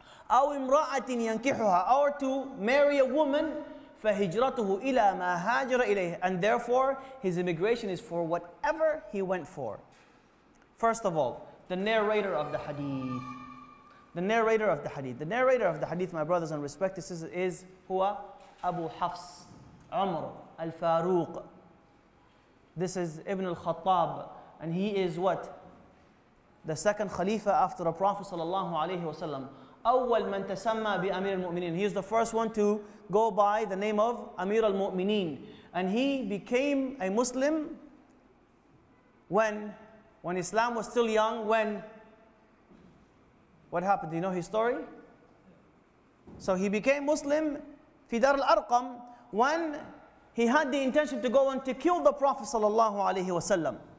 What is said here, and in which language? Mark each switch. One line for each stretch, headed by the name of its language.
Arabic: أو امرأة ينكحها
English: or to marry a woman.
Arabic: فهجرته إلى ما هاجر إليه.
English: And therefore, his immigration is for whatever he went for. First of all, the narrator of the hadith. The narrator of the hadith. The narrator of the hadith, my brothers and respected sisters, is
Arabic: هو أبو حفص عمر الفاروق.
English: This is Ibn al-Khattab. And he is what? The second Khalifa after the Prophet sallallahu alayhi wasallam.
Arabic: أول من تسمى بأمير المؤمنين.
English: He is the first one to go by the name of Amir al-Mu'mineen. And he became a Muslim when Islam was still young, when? What happened? Do you know his story? So he became Muslim
Arabic: في دار الأرقم
English: when he had the intention to go and to kill the Prophet sallallahu alayhi wasallam.